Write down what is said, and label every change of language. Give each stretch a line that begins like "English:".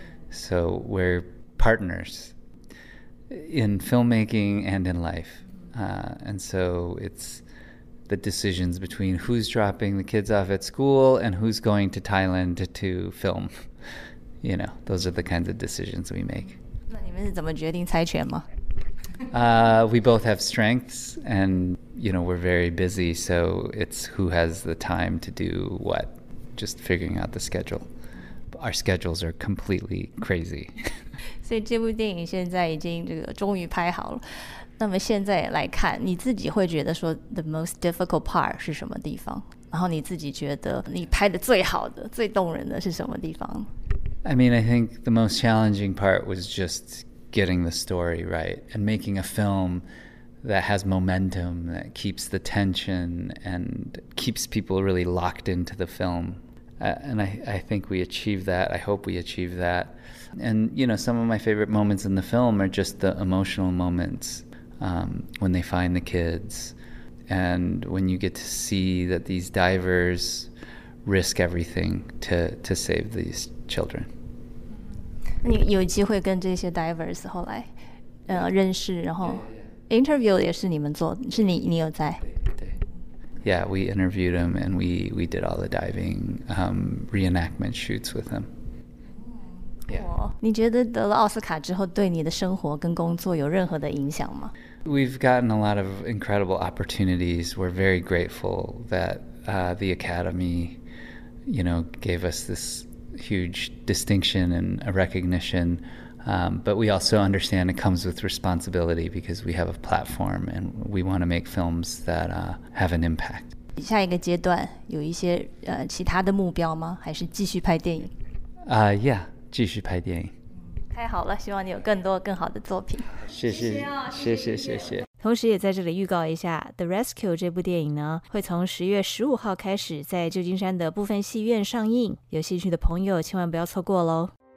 English: So we're partners in filmmaking and in life. And so it's the decisions between who's dropping the kids off at school and who's going to Thailand to film. You know, those are the kinds of decisions we make.
Chinese: 那你们是怎么决定猜拳吗？
English: We both have strengths and, you know, we're very busy. So it's who has the time to do what, just figuring out the schedule. Our schedules are completely crazy.
Chinese: 所以这部电影现在已经这个终于拍好了。那么现在来看，你自己会觉得说
English: the most difficult part
Chinese: 是什么地方？然后你自己觉得你拍的最好的、最动人的是什么地方
English: ？I mean, I think the most challenging part was just getting the story right and making a film that has momentum, that keeps the tension and keeps people really locked into the film. And I think we achieved that. I hope we achieved that. And, you know, some of my favorite moments in the film are just the emotional moments, when they find the kids. And when you get to see that these divers risk everything to save these children.
Chinese: 你有机会跟这些 divers 后来认识，然后 interview 也是你们做，是你有在。
English: Yeah, we interviewed him and we did all the diving reenactment shoots with him. Yeah.
Chinese: 你觉得得了奥斯卡之后对你的生活跟工作有任何的影响吗？
English: We've gotten a lot of incredible opportunities. We're very grateful that the Academy, you know, gave us this huge distinction and a recognition. But we also understand it comes with responsibility because we have a platform and we want to make films that have an impact.
Chinese: 下一个阶段有一些其他的目标吗？还是继续拍电影？ Yeah, 继续拍电影。太好了，希望你有更多更好的作品。谢谢，谢谢，谢谢。同时也在这里预告一下 The Rescue 这部电影呢会从10月15号开始在旧金山的部分戏院上映，有兴趣的朋友千万不要错过咯。